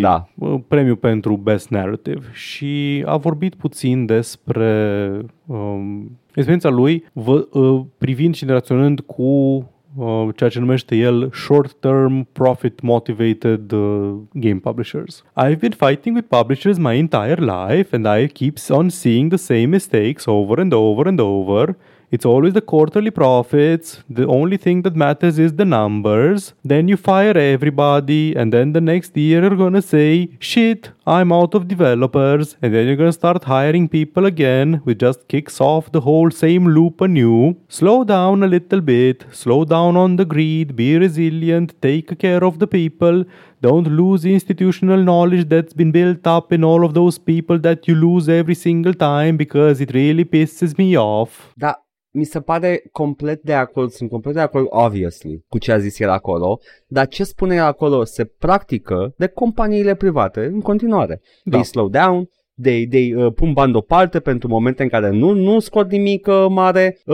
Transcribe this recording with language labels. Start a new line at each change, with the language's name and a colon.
Romanian: da. Premiul pentru Best Narrative, și a vorbit puțin despre experiența lui privind și interacționând cu ceea ce numește el
English: short-term profit-motivated game publishers. I've been fighting with publishers my entire life and I keep on seeing the same mistakes over and over and over. It's always the quarterly profits. The only thing that matters is the numbers. Then you fire everybody and then the next year you're gonna say, shit, I'm out of developers. And then you're gonna start hiring people again, which just kicks off the whole same loop anew. Slow down a little bit. Slow down on the greed. Be resilient. Take care of the people. Don't lose institutional knowledge that's been built up in all of those people that you lose every single time because it really pisses me off.
Romanian: Da. Mi se pare complet de acord, sunt complet de acord,
English: obviously,
Romanian: cu ce a zis el acolo, dar ce spune el acolo se practică de companiile private în continuare. Da.
English: They slow down,
Romanian: pun bani deoparte pentru momente în care nu scot nimic mare.